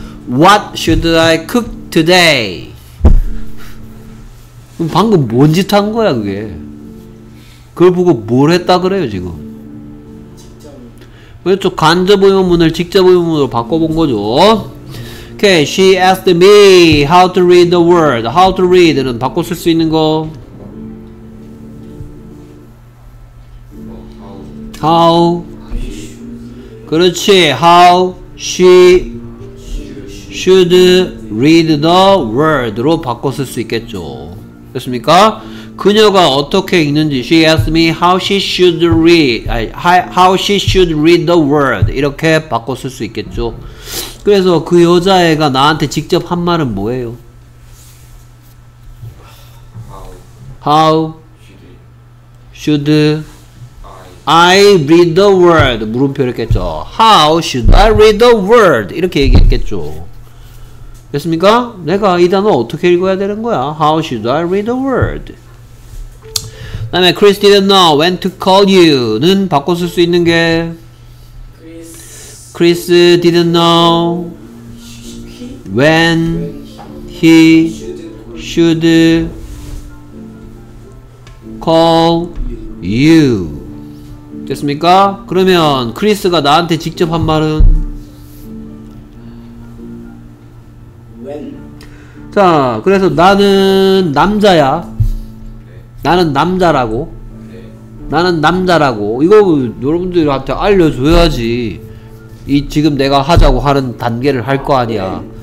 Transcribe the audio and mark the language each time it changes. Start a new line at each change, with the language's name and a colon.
English: What should I cook today?
Korean: 그럼 방금 뭔 짓 한 거야, 그게? 그걸 보고 뭘 했다 그래요, 지금? 그렇죠. 간접 의문문을 직접 의문문으로 바꿔본 거죠.
English: Okay, she asked me how to read the word. How to read
Korean: 는 바꿔 쓸 수 있는 거.
English: How.
Korean: 그렇지.
English: How she should read the word
Korean: 로 바꿔 쓸 수 있겠죠. 됐습니까? 그녀가 어떻게 읽는지.
English: She asked me how she should read. How she should read the word.
Korean: 이렇게 바꿔 쓸 수 있겠죠. 그래서 그 여자애가 나한테 직접 한 말은 뭐예요?
English: How should I read the word?
Korean: 물음표를 했겠죠.
English: How should I read the word?
Korean: 이렇게 얘기했겠죠. 됐습니까? 내가 이 단어 어떻게 읽어야 되는 거야?
English: How should I read the word?
Korean: 다음에
English: Chris didn't know when to call you
Korean: 는 바꿔 쓸 수 있는 게
English: Chris didn't know when he should call you.
Korean: 됐습니까? 그러면 크리스가 나한테 직접 한 말은
English: when.
Korean: 자, 그래서 나는 남자야. 나는 남자라고. 나는 남자라고. 이거 여러분들한테 알려줘야지. 이 지금 내가 하자고 하는 단계를 할 거 아니야.